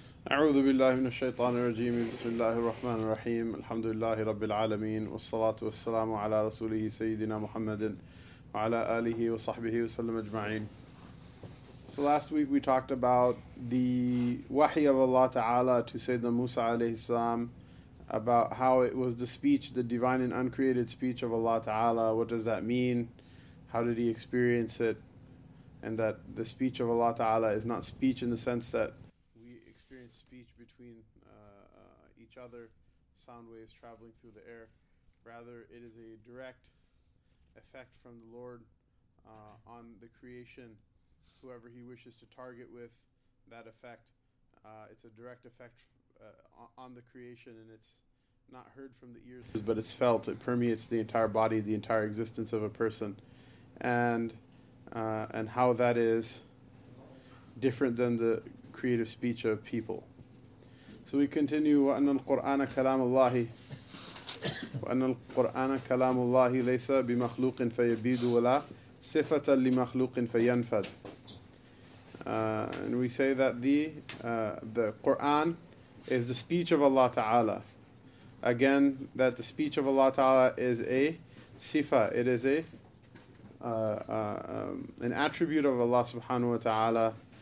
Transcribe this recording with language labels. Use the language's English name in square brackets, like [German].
[Arabic] أعوذ بالله من الشيطان الرجيم. بسم الله الرحمن الرحيم. الحمد لله رب العالمين، والصلاة والسلام على رسوله سيدنا محمد وعلى آله وصحبه وسلم أجمعين. [English] So last week we talked about the wahi of Allah Ta'ala to Sayyidina Musa alayhi salam, about how it was the speech, the divine and uncreated speech of Allah Ta'ala. What does that mean? How did he experience it? And that the speech of Allah Ta'ala is not speech in the sense that speech between each other, sound waves traveling through the air. Rather, it is a direct effect from the Lord on the creation, whoever he wishes to target with that effect. It's a direct effect on the creation, and it's not heard from the ears, but it's felt. It permeates the entire body, the entire existence of a person. And how that is different than the creative speech of people. So we continue. [Arabic] وأن القرآن كلام الله وأن القرآن كلام الله ليس بمخلوق فيبيد ولا صفة لمخلوق فينفد. [English] And we say that the Quran is the speech of Allah Ta'ala. Again, that the speech of Allah Ta'ala is a sifa. It is a an attribute of Allah Subhanahu wa Ta'ala.